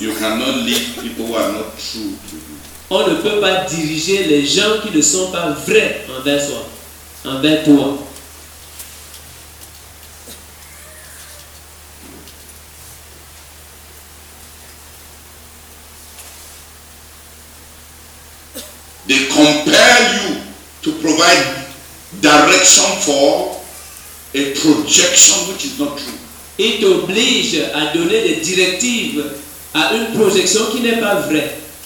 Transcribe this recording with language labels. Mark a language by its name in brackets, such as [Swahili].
[English] You cannot lead people who are not true to you. [French] On ne peut pas diriger les gens qui ne sont pas vrais envers soi, envers toi. [English] They compel you to provide direction for a projection which is not true. [French] Il t'oblige à donner des directives à une projection qui n'est pas vraie.